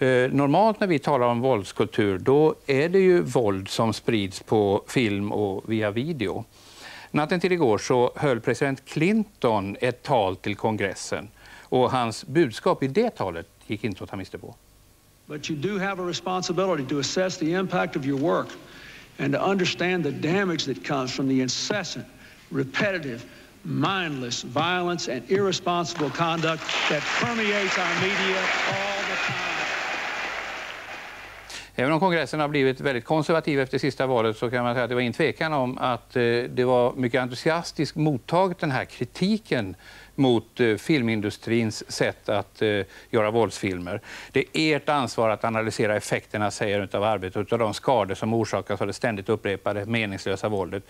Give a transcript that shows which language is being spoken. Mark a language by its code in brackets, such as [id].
[sv] Normalt när vi talar om våldskultur, då är det ju våld som sprids på film och via video. Natten till igår så höll president Clinton ett tal till kongressen. Och hans budskap i det talet gick inte att ta miste på. [en] But you do have a responsibility to assess the impact of your work and to understand the damage that comes from the incessant, repetitive, mindless violence and irresponsible conduct that permeates our media all the time. [sv] Även om kongressen har blivit väldigt konservativ efter sista valet så kan man säga att det var ingen tvekan om att det var mycket entusiastiskt mottaget den här kritiken mot filmindustrins sätt att göra våldsfilmer. Det är ert ansvar att analysera effekterna, säger utav arbetet, av de skador som orsakas av det ständigt upprepade meningslösa våldet.